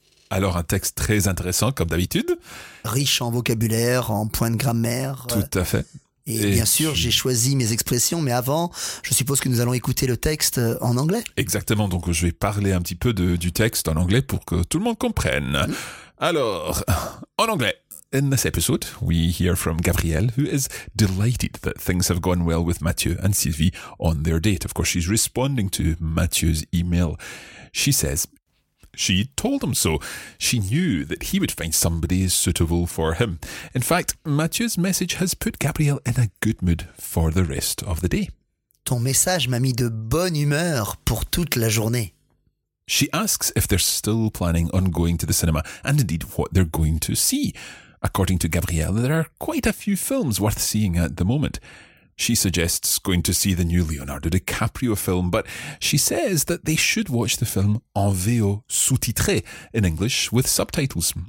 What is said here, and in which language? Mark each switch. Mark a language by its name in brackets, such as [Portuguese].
[French] Alors, un texte très intéressant, comme d'habitude. Riche en vocabulaire, en points de grammaire. Tout à fait. Et bien sûr, j'ai choisi mes expressions, mais avant, je suppose que nous allons écouter le texte en anglais. Exactement, donc je vais parler un petit peu du texte en anglais pour que tout le monde comprenne. Alors, en anglais. [English] In this episode, we hear from Gabrielle, who is delighted that things have gone well with Mathieu and Sylvie on their date. Of course, she's responding to Mathieu's email. She says... She told him so. She knew that he would find somebody suitable for him. In fact, Mathieu's message has put Gabrielle in a good mood for the rest of the day. [French] Ton message m'a mis de bonne humeur pour toute la journée. [English] She asks if they're still planning on going to the cinema and indeed what they're going to see. According to Gabrielle, there are quite a few films worth seeing at the moment. She suggests going to see the new Leonardo DiCaprio film, but she says that they should watch the film [French] en VO sous-titré, [English] in English with subtitles.